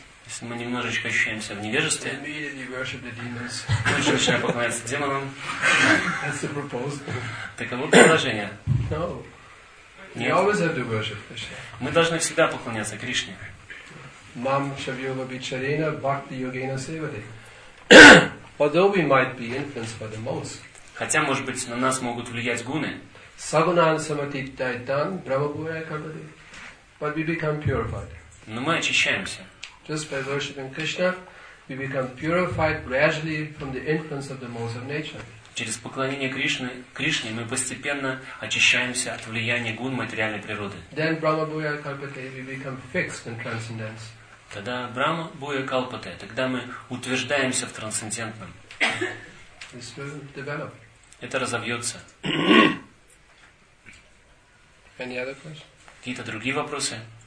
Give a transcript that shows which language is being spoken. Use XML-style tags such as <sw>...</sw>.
<ru>Если мы немножечко ощущаемся в невежестве, начинаем поклоняться демонам.</ru> <en>That's the proposal.</en> <ru>Таково предложение.</ru> <en>No.</en> <ru>Нет.</ru> <en>We always have to worship Krishna.</en> <ru>Мы должны всегда поклоняться Кришне.</ru> <sa>Mam shavyoga bicharena bhakti yogena sevate.</sa> <en>Although we might be influenced by the most.</en> <ru>Хотя, может быть, на нас могут влиять гуны.</ru> <sa>Сагунан самати тайтан брамабуя кабади.</sa> <en>But we become purified.</en> <ru>Но мы очищаемся.</ru> <en>Just by worshiping Krishna, we become purified gradually from the influence of the modes of nature.</en> <ru>Через поклонение Кришне мы постепенно очищаемся от влияния гун материальной природы.</ru> <en>Then</en> <sa>Brahma Bhuya Kalpate,</sa> <en>we become fixed in transcendence.</en> <ru>Тогда</ru> <sa>Брама Бхуя Калпате,</sa> <ru>тогда мы утверждаемся в трансцендентном.</ru> <en>This will develop.</en> <ru>Это разовьется.</ru> <en>Any other questions?</en> <ru>Какие-то другие вопросы?</ru>